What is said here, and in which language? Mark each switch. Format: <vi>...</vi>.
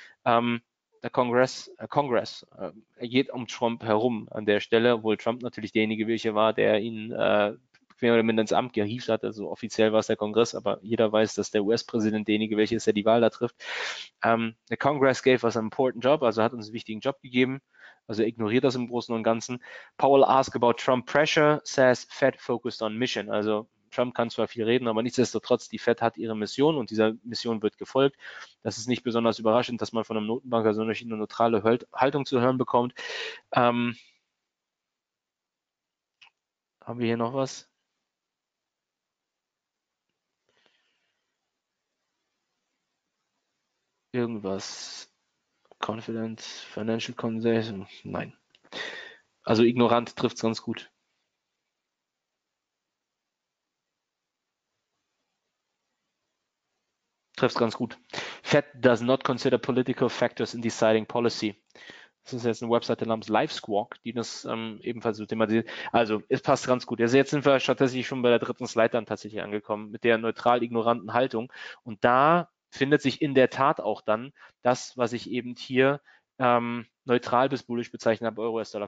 <de>Der Congress, geht um Trump herum an der Stelle, obwohl Trump natürlich derjenige, welcher war, der ihn mehr oder minder ins Amt gehievt hat, also offiziell war es der Kongress, aber jeder weiß, dass der US-Präsident derjenige, welcher ist, der die Wahl da trifft.</de> <en>The Congress gave us an important job,</en> <de>also hat uns einen wichtigen Job gegeben, also ignoriert das im Großen und Ganzen.</de> <en>Powell asked about Trump pressure, says Fed focused on mission.</en> <de>Also Trump kann zwar viel reden, aber nichtsdestotrotz, die Fed hat ihre Mission und dieser Mission wird gefolgt. Das ist nicht besonders überraschend, dass man von einem Notenbanker so eine neutrale Haltung zu hören bekommt. Haben wir hier noch was? Irgendwas?</de> <en>Confident, Financial Conversation?</en> <de>Nein. Also ignorant trifft es ganz gut. Trifft es ganz gut.</de> <en>Fed does not consider political factors in deciding policy.</en> <de>Das ist jetzt eine Webseite namens Live Squawk, die das ebenfalls so thematisiert. Also, es passt ganz gut. Also, jetzt sind wir tatsächlich schon bei der dritten Slide dann tatsächlich angekommen, mit der neutral ignoranten Haltung. Und da findet sich in der Tat auch dann das, was ich eben hier neutral bis bullisch bezeichnet habe, Euro-US-Dollar.</de>